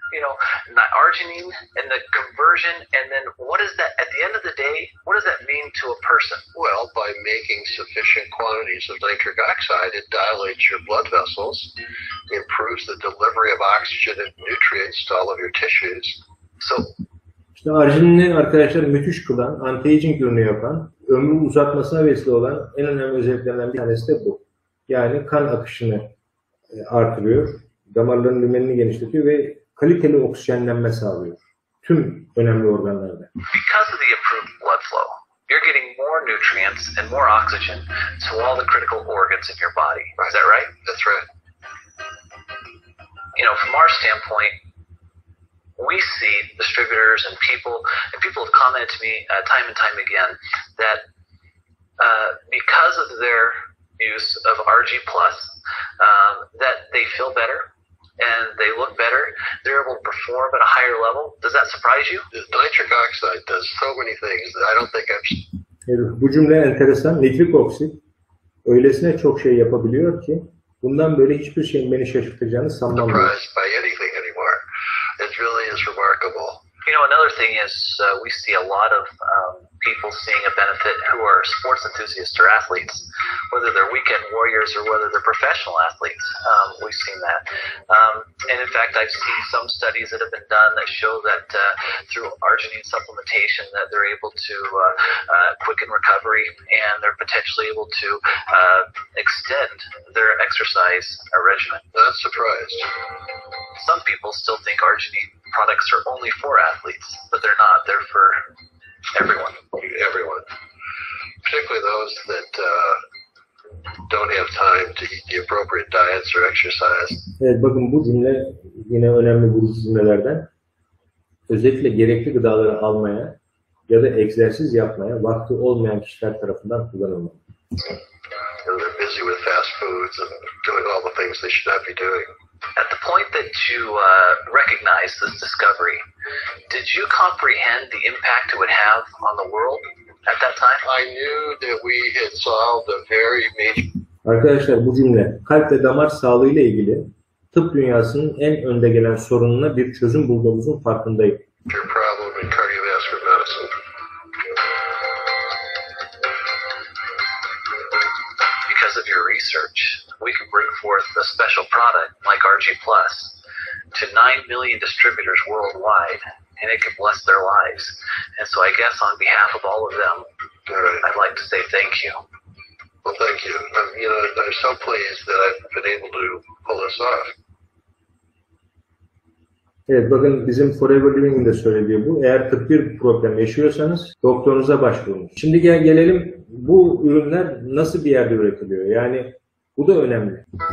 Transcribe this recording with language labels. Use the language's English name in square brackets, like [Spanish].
[English] You know, arginine and the conversion, and then what is that, at the end of the day, what does that mean to a person? Well, by making sufficient quantities of nitric oxide, it dilates your blood vessels, improves the delivery of oxygen and nutrients to all of your tissues. So, [Turkish] İşte arjinini arkadaşlar müthiş kılan, anti-aging ürünü yapan, ömrü uzatmasına vesile olan en önemli özelliklerden bir tanesi de bu. Yani kan akışını artırıyor, damarların lümenini genişletiyor ve kaliteli oksijenlenme sağlıyor tüm önemli organlarda. [English] Because of the improved blood flow, you're getting more nutrients and more oxygen to all the critical organs in your body. Is that right? That's right. You know, from our standpoint, we see distributors and people have commented to me time and time again that because of their use of RG Plus, that they feel better and they look better. They're able to perform at a higher level. Does that surprise you? Nitric oxide does so many things that I don't think I've. [Turkish] Bu cümle enteresan. Nitrik oksit öylesine çok şey yapabiliyor ki bundan böyle hiçbir şeyin beni şaşırtacağını sanmam. [English] Surprised by anything anymore. really is remarkable. You know, another thing is we see a lot of people seeing a benefit who are sports enthusiasts or athletes, whether they're weekend warriors or whether they're professional athletes. We've seen that. And in fact, I've seen some studies that have been done that show that through arginine supplementation that they're able to quicken recovery and they're potentially able to extend their exercise regimen. Not surprised. Some people still think arginine products are only for athletes, but they're not. They're for everyone. Everyone. Particularly those that don't have time to eat the appropriate diets or exercise. [Turkish] Evet, bakın bu cümle yine önemli vurucu cümlelerden. Özellikle gerekli gıdaları almaya ya da egzersiz yapmaya vakti olmayan kişiler tarafından kullanılmalı. [English] And they're busy with fast foods and doing all the things they should not be doing. At the point that you recognized this discovery, did you comprehend the impact it would have on the world at that time? I knew that we had solved a very major... [Turkish] Arkadaşlar, bu cümle kalp ve damar sağlığı ile ilgili tıp dünyasının en önde gelen sorununa bir çözüm bulduğumuzun farkındayım. [English] Your problem in cardiovascular medicine. Because of your research, we can bring forth a special product like RG Plus to 9 million distributors worldwide, and it can bless their lives. And so I guess on behalf of all of them, I'd like to say thank you. Well, thank you. You know, I'm so pleased that I've been able to pull this off. [Turkish] Evet, bakın bizim Forever Living'in de söylediği bu. Eğer tıbbi problem yaşıyorsanız doktorunuza başvurun. Şimdi gelelim bu ürünler nasıl bir yerde üretiliyor? Yani bu da önemli.